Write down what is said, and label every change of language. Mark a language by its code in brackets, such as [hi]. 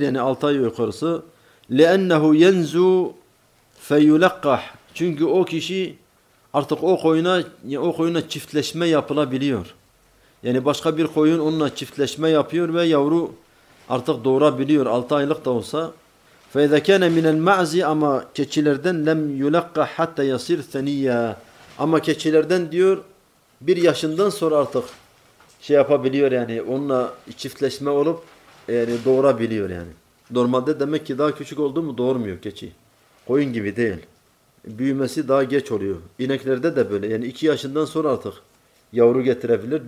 [tr] Yani 6 ay yukarısı. [ar] لِأَنَّهُ يَنْزُ فَيُلَقَّحْ. [tr] Çünkü o kişi artık o koyuna çiftleşme yapılabiliyor. Yani başka bir koyun onunla çiftleşme yapıyor ve yavru artık doğurabiliyor. 6 aylık da olsa. [ar] فَاِذَا كَانَ مِنَ الْمَعْزِ [tr] ama keçilerden [ar] لَمْ يُلَقَّ حَتَّى يَصِرْ ثَنِيَّا. [tr] Ama keçilerden diyor bir yaşından sonra artık şey yapabiliyor yani onunla çiftleşme olup yani doğurabiliyor yani. Normalde demek ki daha küçük oldu mu doğurmuyor keçi. Koyun gibi değil. Büyümesi daha geç oluyor. İneklerde de böyle yani 2 yaşından sonra artık yavru getirebilir.